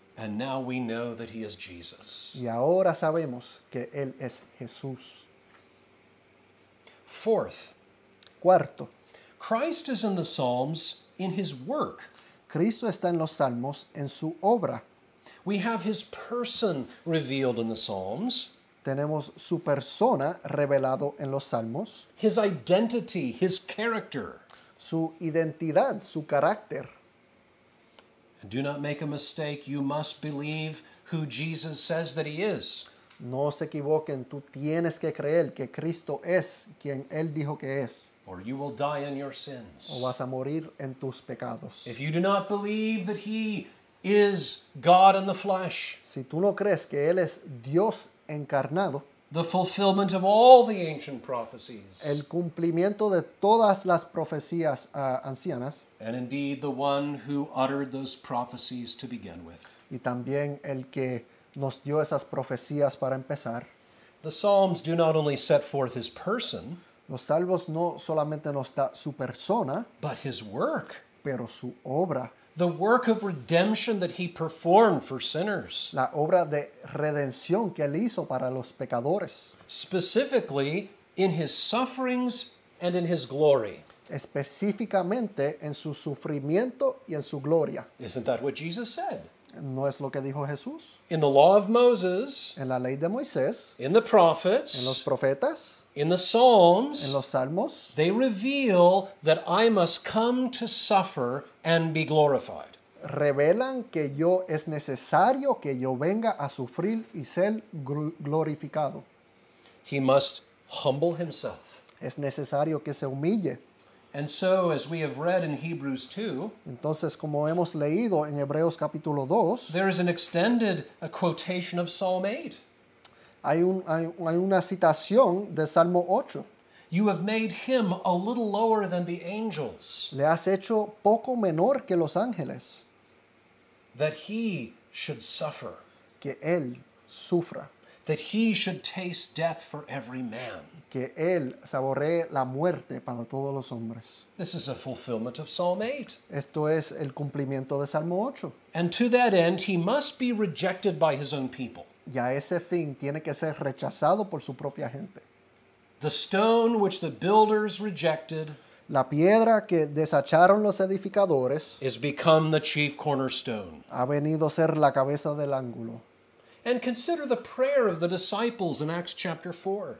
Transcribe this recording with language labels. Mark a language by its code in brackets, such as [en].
[en] And now we know that he is Jesus. [es] Y ahora sabemos que él es Jesús. [en] Fourth. [es] Cuarto. [en] Christ is in the Psalms in his work. [es] Cristo está en los Salmos en su obra. [en] We have his person revealed in the Psalms. [es] Tenemos su persona revelado en los Salmos. [en] His identity, his character. [es] Su identidad, su carácter. [en] And do not make a mistake, you must believe who Jesus says that he is. [es] No se equivoquen, tú tienes que creer que Cristo es quien él dijo que es. [en] Or you will die in your sins. [es] O vas a morir en tus pecados. [en] If you do not believe that he is God in the flesh. [es] Si tú no crees que él es Dios encarnado. [en] The fulfillment of all the ancient prophecies. [es] El cumplimiento de todas las profecías ancianas. [en] And indeed the one who uttered those prophecies to begin with. [es] Y también el que nos dio esas profecías para empezar. [en] The Psalms do not only set forth his person. [es] Los Salmos no solamente nos da su persona, [en] but his work, [es] pero su obra. [en] The work of redemption that he performed for sinners. [es] La obra de redención que él hizo para los pecadores. [en] Specifically in his sufferings and in his glory. [es] Específicamente en su sufrimiento y en su gloria. [en] Isn't that what Jesus said? [es] ¿No es lo que dijo Jesús? [en] In the law of Moses. [es] En la ley de Moisés. [en] In the prophets. [es] En los profetas. [en] In the Psalms, [es] en los Salmos, [en] they reveal that I must come to suffer and be glorified. [es] Revelan que yo es necesario que yo venga a sufrir y ser glorificado. [en] He must humble himself. [es] Es necesario que se humille. [en] And so, as we have read in Hebrews 2, [es] entonces, como hemos leído en Hebreos capítulo 2, [en] there is an extended quotation of Psalm 8. [es] Hay una citación de Salmo 8. [en] You have made him a little lower than the angels. [es] Le has hecho poco menor que los ángeles. [en] That he should suffer. [es] Que él sufra. [en] That he should taste death for every man. [es] Que él saboree la muerte para todos los hombres. [en] This is a fulfillment of Psalm 8. [es] Esto es el cumplimiento de Salmo 8. [en] And to that end, he must be rejected by his own people. [es] Y a ese fin tiene que ser rechazado por su propia gente. [en] The stone which the builders rejected, [es] la piedra que desecharon los edificadores, [en] is become the chief cornerstone. [es] Ha venido a ser la cabeza del ángulo. [en] And consider the prayer of the disciples in Acts chapter 4.